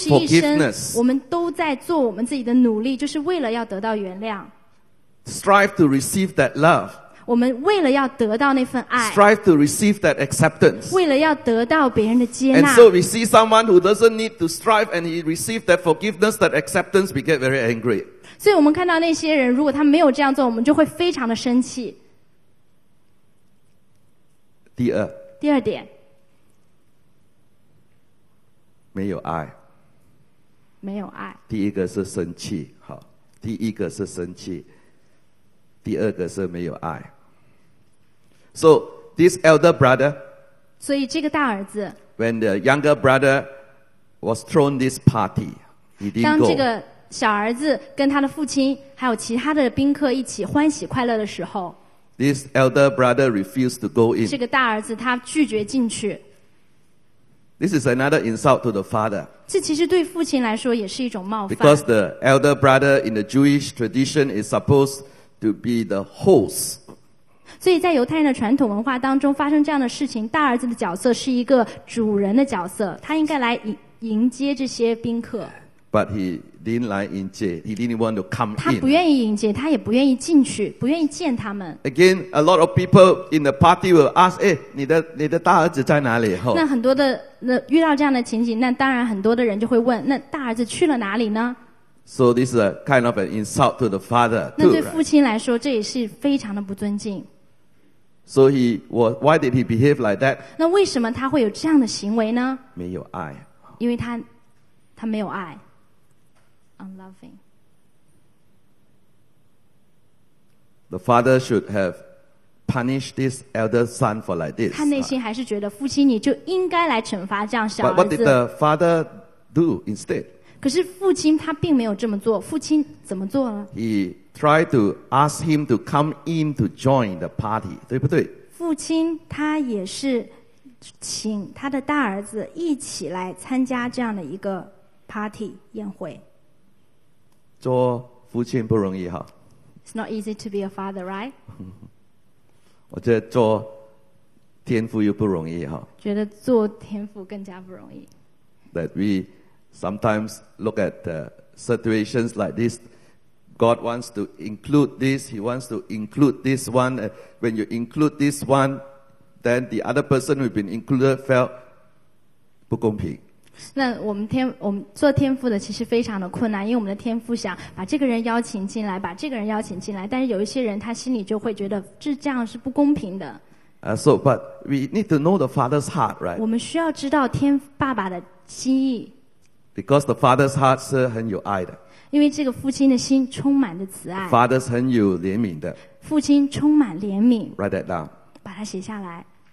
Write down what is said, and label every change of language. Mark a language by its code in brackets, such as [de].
[zh] 因为我们都在做我们自己的努力，就是为了要得到原谅。 [en] Strive to receive that love. [zh] 我们为了要得到那份爱。 [en] Strive to receive that acceptance. [zh] 为了要得到别人的接纳。 [en] And so we see someone who doesn't need to strive and he receives that forgiveness, that acceptance, we get very angry. [zh] 所以我们看到那些人，如果他没有这样做，我们就会非常的生气。第二点，没有爱。没有爱。第一个是生气。第二个是没有爱。 [en] So this elder brother, [zh] 所以这个大儿子 [en] when the younger brother was thrown this party, he didn't go. [zh] 当这个小儿子跟他的父亲还有其他的宾客一起欢喜快乐的时候， [en] this elder brother refused to go in. [zh] 这个大儿子他拒绝进去。 [en] This is another insult to the father. [zh] 这其实对父亲来说也是一种冒犯。 [en] Because the elder brother in the Jewish tradition is supposed to be the host. [zh] 所以在犹太人的传统文化当中发生这样的事情，大儿子的角色是一个主人的角色，他应该来迎接这些宾客。 [en] But he didn't like 迎接 he didn't want to come in. [zh] 他不愿意迎接，他也不愿意进去，不愿意见他们。 [en] Again, a lot of people in the party will ask, [zh] 哎，你的大儿子在哪里？那很多的那遇到这样的情景，那当然很多的人就会问，那大儿子去了哪里呢？ [en] So this is a kind of an insult to the father. [zh] 那对父亲来说，这也是非常的不尊敬。 [en] So he was. Why did he behave like that? [zh] 那为什么他会有这样的行为呢？没有爱。因为他没有爱。 [en] Unloving. The father should have punished this elder son for like this. [zh] 他内心还是觉得父亲你就应该来惩罚这样小儿子。 [en] But what did the father do instead? [zh] 可是父亲他并没有这么做，父亲怎么做了？ [en] He tried to ask him to come in to join the party, [zh] 对不对？父亲他也是请他的大儿子一起来参加这样的一个 party 宴会。做父亲不容易哈。 [en] It's not easy to be a father, right? [zh] 我觉得做天父又不容易哈。觉得做天父更加不容易。 [en] That we sometimes look at situations like this. God wants to include this. He wants to include this one. When you include this one, then the other person who's been included felt [zh] 不公平。那我们做天父的其实非常的困难，因为我们的天父想把这个人邀请进来，把这个人邀请进来，但是有一些人他心里就会觉得这样是不公平的。 [en] So, but we need to know the Father's heart, right? [zh] 我们需要知道天爸爸的心意。 [en] Because the father's heart is [zh] 很有爱的，因为这个父亲的心充满着慈爱。 [en] Father's [zh] 很有怜悯的，父亲充满怜悯。 [en] Write that down. [zh] 把它写下来。